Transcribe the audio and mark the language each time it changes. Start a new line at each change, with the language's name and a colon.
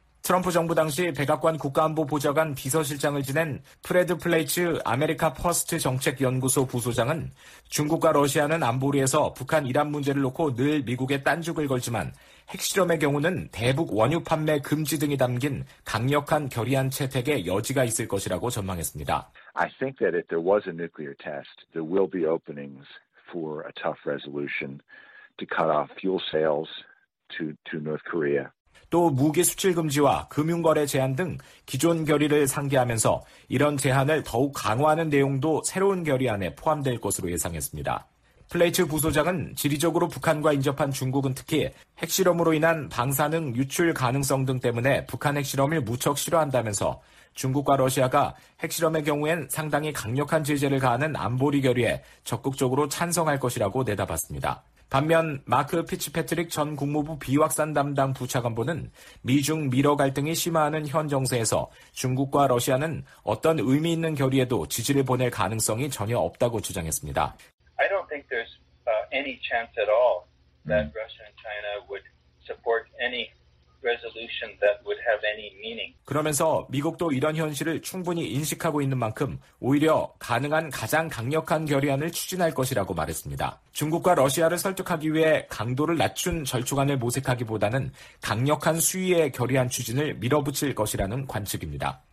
Korean: 트럼프 정부 당시 백악관 국가안보보좌관 비서실장을 지낸 프레드 플레이츠 아메리카 퍼스트 정책연구소 부소장은 중국과 러시아는 안보리에서 북한 이란 문제를 놓고 늘 미국에 딴죽을 걸지만 핵실험의 경우는 대북 원유 판매 금지 등이 담긴 강력한 결의안 채택에 여지가 있을 것이라고 전망했습니다.
English: I think that if there was a nuclear test, there will be openings for a tough resolution to cut off fuel sales to North Korea.
Korean: 또 무기 수출 금지와 금융 거래 제한 등 기존 결의를 상기하면서 이런 제한을 더욱 강화하는 내용도 새로운 결의안에 포함될 것으로 예상했습니다. 플레이츠 부소장은 지리적으로 북한과 인접한 중국은 특히 핵실험으로 인한 방사능 유출 가능성 등 때문에 북한 핵실험을 무척 싫어한다면서 중국과 러시아가 핵실험의 경우엔 상당히 강력한 제재를 가하는 안보리 결의에 적극적으로 찬성할 것이라고 내다봤습니다. 반면 마크 피츠패트릭 전 국무부 비확산 담당 부차관보는 미중 미러 갈등이 심화하는 현 정세에서 중국과 러시아는 어떤 의미 있는 결의에도 지지를 보낼 가능성이 전혀 없다고 주장했습니다.
English: I don't think there's any chance at all that Russia and China would support any resolution that would have any meaning.
Korean: 그러면서 미국도 이런 현실을 충분히 인식하고 있는 만큼 오히려 가능한 가장 강력한 결의안을 추진할 것이라고 말했습니다. 중국과 러시아를 설득하기 위해 강도를 낮춘 절충안을 모색하기보다는 강력한 수위의 결의안 추진을 밀어붙일 것이라는 관측입니다.